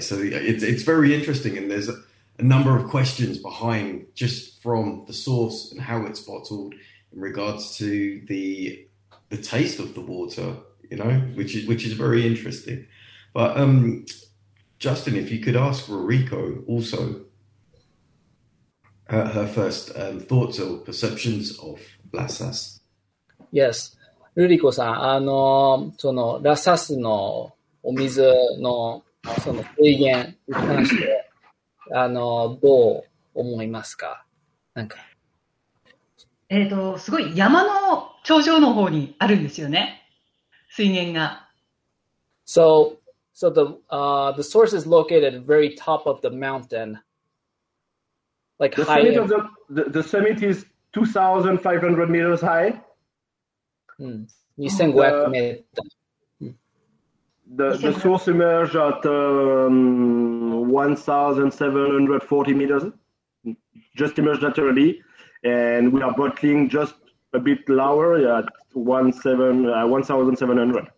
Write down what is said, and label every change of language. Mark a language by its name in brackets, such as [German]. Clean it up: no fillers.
[English] So it's very interesting, and there's a number of questions behind just from the source and how it's bottled in regards to the taste of the water, you know, which is very interesting. But Justin, if you could ask Rico also her first thoughts or perceptions of La Sasse. Yes. [Japanese] ルリコさん、そのラサスのお水のその水源に関して、どう思いますか？なんか。すごい山の頂上の方にあるんですよね、水源が。 [English] So the source is located at the very top of the mountain. Like the high. The summit is 2,500 meters high. The source emerged at 1,740 meters, just emerged naturally, and we are bottling just a bit lower at 1,700.